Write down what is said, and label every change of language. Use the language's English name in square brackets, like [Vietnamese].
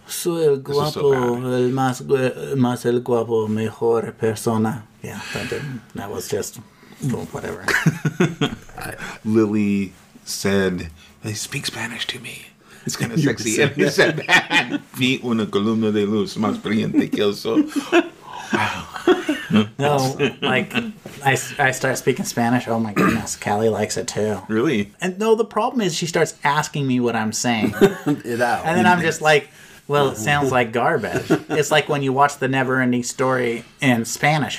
[Spanish] Soy el guapo, el más el guapo, mejor persona. [English] Yeah, that was just whatever. Lily said, "They speak Spanish to me." It's kind of sexy. And he said, [Spanish] "Vi una columna de luz más brillante que el sol." [English] Wow. No, like, I start speaking Spanish. Oh, my goodness. Callie likes it, too. Really? And no, the problem is she starts asking me what I'm saying. That and then I'm just like, well, it sounds like garbage. It's like when you watch the NeverEnding Story in Spanish.